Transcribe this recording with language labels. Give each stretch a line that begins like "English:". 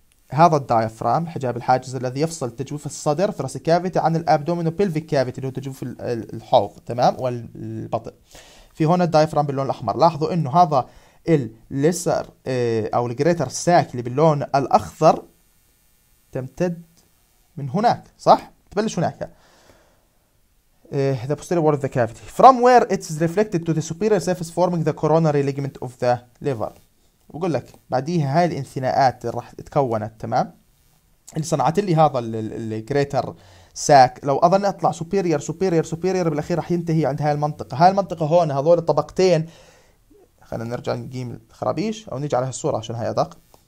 Arabic: هذا الدايافرام، حجاب الحاجز الذي يفصل تجويف الصدر ثراسي كافيتي عن الابدومينو بيلفيك كافيتي اللي هو تجويف الحوض، تمام، والبطن. في هون الدايافرام باللون الاحمر، لاحظوا انه هذا الليسر او الجريتر ساك اللي باللون الاخضر تمتد من هناك، صح؟ تبلش هناك.
English: The posterior wall of the cavity from where it's reflected to the superior surface forming the coronary ligament of the liver.
Arabic: بقول لك بعديها هاي الانثناءات راح تكونت، تمام، اللي صنعت لي هذا الجريتر ساك. لو اظن اطلع سوبيرير سوبيرير سوبيرير بالاخير راح ينتهي عند هاي المنطقه. هاي المنطقه هون هذول الطبقتين، خلينا نرجع نقيم الخرابيش او نيجي على هالصوره عشان هاي ادق.